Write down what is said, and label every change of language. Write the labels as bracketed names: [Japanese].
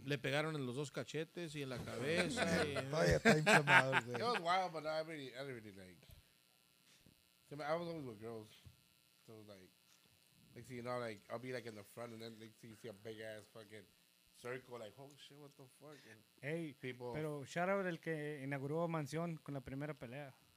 [Spanish] Le pegaron en los dos cachetes y en la cabeza. [English] It was wild, but I was always with girls. So, like, see, you know, like, I'll be, like, in the front, and then, like, see, you see a big-ass fucking circle, like, oh, shit, what the fuck? And hey, people. [Spanish] Pero [English] shout out [Spanish] el que inauguró Mansión con la primera pelea.